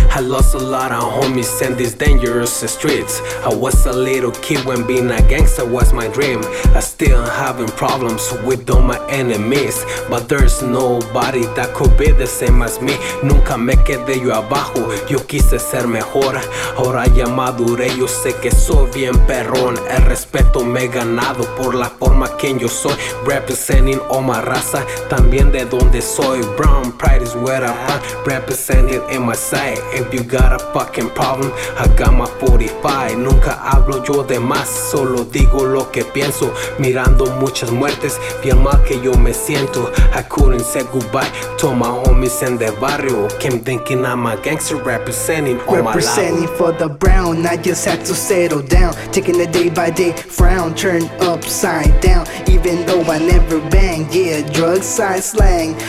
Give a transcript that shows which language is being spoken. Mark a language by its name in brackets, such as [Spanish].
[English] I lost a lot of homies in these dangerous streets. I was a little kid when being a gangster was my dream. I still having problems with all my enemies, but there's nobody that could be the same as me. [Spanish] Nunca me quedé yo abajo, yo quise ser mejor. Ahora ya maduré, yo sé que soy bien perrón. El respeto me he ganado por la forma quien yo soy. [English] Representing all my [Spanish] raza, también de donde soy. [English] Brown pride is where I'm at, representing in my side. If you got a fucking problem, I got my 45. [Spanish] Nunca hablo yo de más, solo digo lo que pienso. Mirando muchas muertes, bien mal que yo me siento. [English] I couldn't say goodbye to my homies in the barrio. Came thinking I'm a gangster representing all my life. Representing for the brown, I just had to settle down. Taking the day by day frown, turned upside down. Even though I never bang, yeah, drug side slang.